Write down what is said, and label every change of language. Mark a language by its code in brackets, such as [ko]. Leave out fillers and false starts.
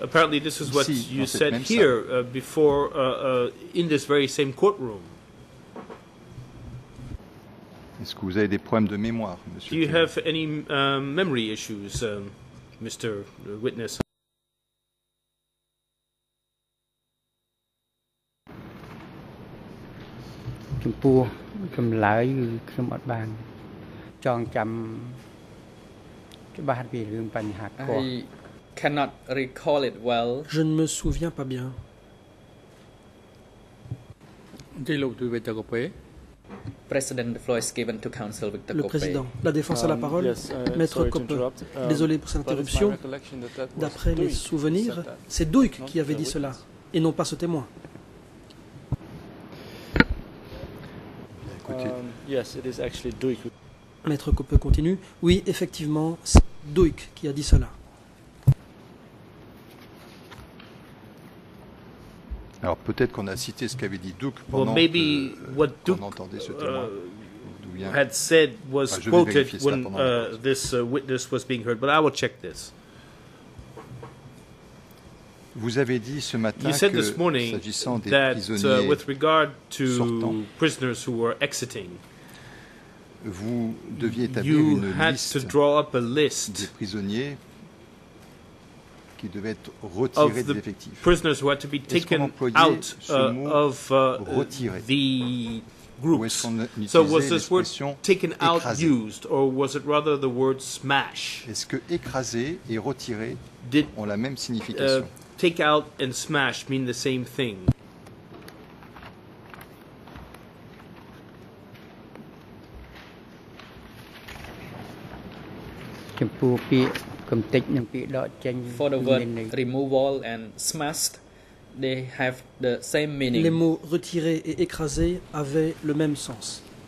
[en] Apparently, this is what you said here before in this very same courtroom. [fr] Est-ce que vous avez des problèmes de mémoire, monsieur? [en] Do you have any memory issues, Mr. Witness? I cannot recall it well. [fr] Je ne me souviens pas bien. [en] President, the floor is given to counsel Victor Coppé. [fr] Le président, la défense a la parole. Maître Coppé, désolé pour cette interruption. D'après mes souvenirs, c'est Duyck qui avait dit cela, et non pas ce témoin. [en] Yes, it is actually Duyck. [fr] Maître Coppé continue. Oui, effectivement, c'est Duyck qui a dit cela. Alors peut-être qu'on a cité ce qu'avait dit Duyck pendant qu'on entendait ce témoin. [en] Had said was quoted when this witness was being heard, but I will check this. [fr] Vous avez dit ce matin que s'agissant des prisonniers [en] with regard to prisoners who were exiting, [fr] vous deviez établir une liste des prisonniers qui devaient être retirés des effectifs. [en] Prisoners who had to be taken out of the groups. So was this word taken out used, or was it rather the word smash? [fr] Est-ce que écraser et retirer ont la même signification? [en] Take out and smash mean the same thing? For the word removal and smashed, they have the same meaning. [fr] Les mots retirer et écraser avaient le même sens.